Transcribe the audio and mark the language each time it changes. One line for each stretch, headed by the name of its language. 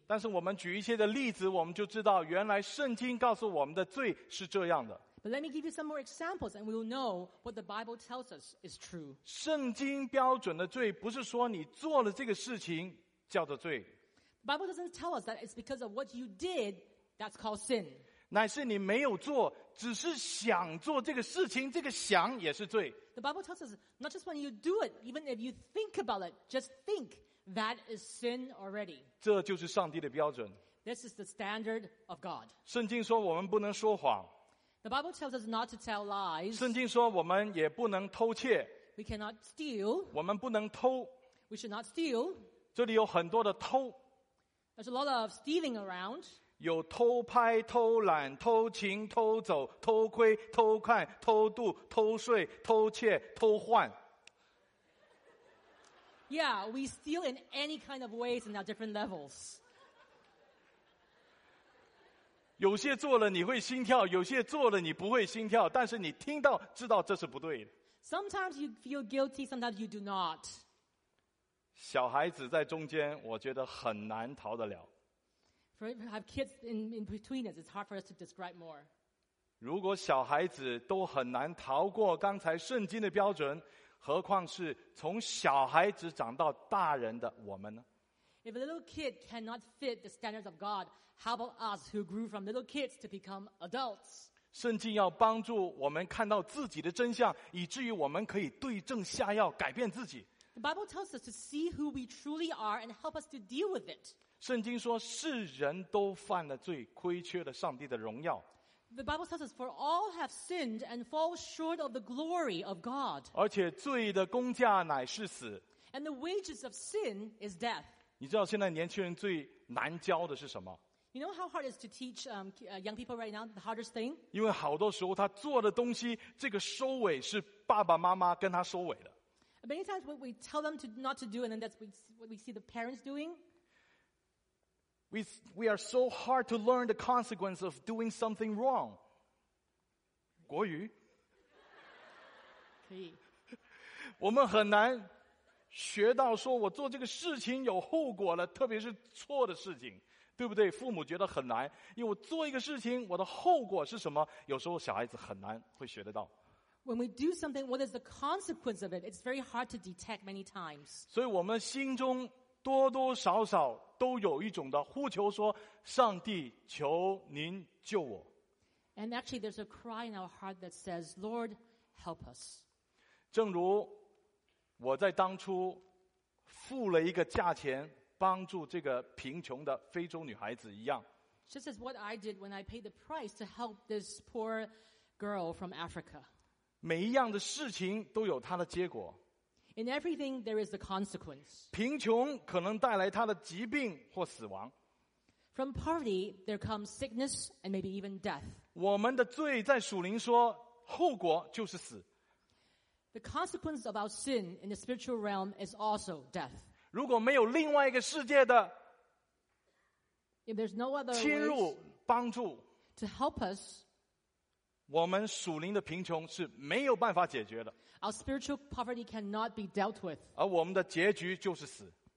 Chinese: 但是我们举一些的例子，我们就知道原来圣经告诉我们的罪是这样的。
English: But let me give you some more examples and we'll know what the Bible tells us is true.
Chinese: 圣经标准的罪不是说你做了这个事情叫做罪。
English: The Bible doesn't tell us that it's because of what you did that's called sin.
Chinese: 乃是你没有做，只是想做这个事情，这个想也是罪。
English: The Bible tells us not just when you do it, even if you think about it, just think that is sin already.
Chinese: 这就是上帝的标准。
English: This is the standard of God.
Chinese: 圣经说我们不能说谎。
English: The Bible tells us not to tell lies.
Chinese: 圣经说我们也不能偷窃。
English: We cannot steal.
Chinese: 我们不能偷。
English: We should not steal.
Chinese: 这里有很多的偷。
English: There's a lot of stealing around.
Chinese: 有偷拍、偷懒、偷情、偷走、偷窥、偷看、偷渡、偷税、偷窃、偷换。
English: Yeah, we steal in any kind of ways in our different levels.
Chinese: 有些做了你会心跳，有些做了你不会心跳，但是你听到知道这是不对的。
English: Sometimes you feel guilty, sometimes you do not.
Chinese: 小孩子在中间，我觉得很难逃得了。
English: For if we have kids in between us, it's hard for us to describe more.
Chinese: 如果小孩子都很难逃过刚才圣经的标准，何况是从小孩子长到大人的我们呢？
English: If a little kid cannot fit the standards of God, how about us who grew from little kids to become adults?
Chinese: 圣经要帮助我们看到自己的真相，以至于我们可以对症下药，改变自己。
English: The Bible tells us to see who we truly are and help us to deal with it.
Chinese: 圣经说世人都犯了罪，亏缺了上帝的荣耀。
English: The Bible tells us for all have sinned and fall short of the glory of God.
Chinese: 而且罪的工价乃是死。
English: And the wages of sin is death.
Chinese: 你知道现在年轻人最难教的是什么？
English: You know how hard it is to teach young people right now, the hardest thing?
Chinese: 因为好多时候他做的东西，这个收尾是爸爸妈妈跟他收尾的。
English: Many times what we tell them to not to do, and then that's what we see the parents doing. We are so hard to learn the consequence of doing something wrong.
Chinese: 国语？可以。我们很难学到说我做这个事情有后果了，特别是错的事情，对不对？父母觉得很难，因为我做一个事情我的后果是什么，有时候小孩子很难会学得到。
English: When we do something, what is the consequence of it? It's very hard to detect many times.
Chinese: 所以我们心中多多少少都有一种的呼求，说上帝求您救我。
English: And actually there's a cry in our heart that says, Lord, help us.
Chinese: 正如我在当初付了一个价钱帮助这个贫穷的非洲女孩子一样。
English: This is what I did when I paid the price to help this poor girl from Africa.
Chinese: 每一样的事情都有它的结果。
English: In everything, there is a consequence.
Chinese: 贫穷可能带来她的疾病或死亡。
English: From poverty, there comes sickness and maybe even death.
Chinese: 我们的罪在属灵说，后果就是死。
English: The consequence of our sin in the spiritual realm is also death.
Chinese: 如果没有另外一个世界的侵入帮助
English: to help us,
Chinese: 我们属灵的贫穷是没有办法解决的
English: our spiritual poverty cannot be dealt with,
Chinese: 而我们的结局就是死